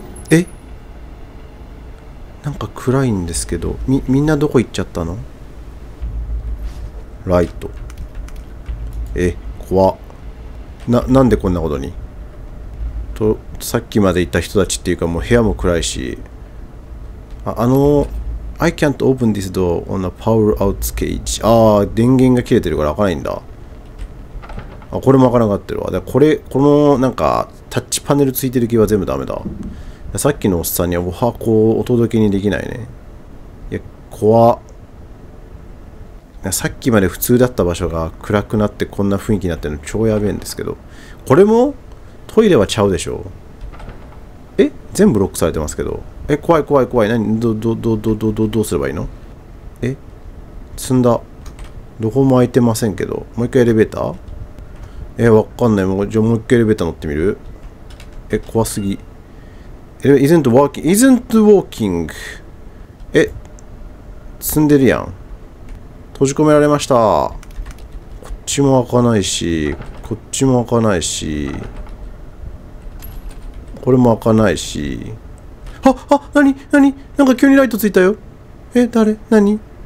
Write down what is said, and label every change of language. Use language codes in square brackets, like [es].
[ja] え、なんか暗いんですけど、みんなどこ行っちゃったの？ライト。え、怖っ。なんでこんなことに。と、さっきまでいた人たちっていうか、もう部屋も暗いし。 [en] あの、I can't open this door on a power out cage. [ja] ああ、電源が切れてるから開かないんだ。あ、これも開かなかってるわ。で、これ、このなんか、タッチパネルついてる気は全部ダメだ。さっきのおっさんにはお箱をお届けにできないね。いや、怖っ。さっきまで普通だった場所が暗くなってこんな雰囲気になってるの超やべえんですけど。これもトイレはちゃうでしょ。え、全部ロックされてますけど。え、怖い怖い怖い。何、どうすればいいの。え、積んだ。どこも開いてませんけど。もう一回エレベーター？え、わかんない。もう、じゃあもう一回エレベーター乗ってみる？え、怖すぎ。 [en] Isn't walking, isn't walking. [ja] え、積んでるやん。閉じ込められました。こっちも開かないし、こっちも開かないし、これも開かないし。あ、何、何、なんか急にライトついたよ。え、誰、何。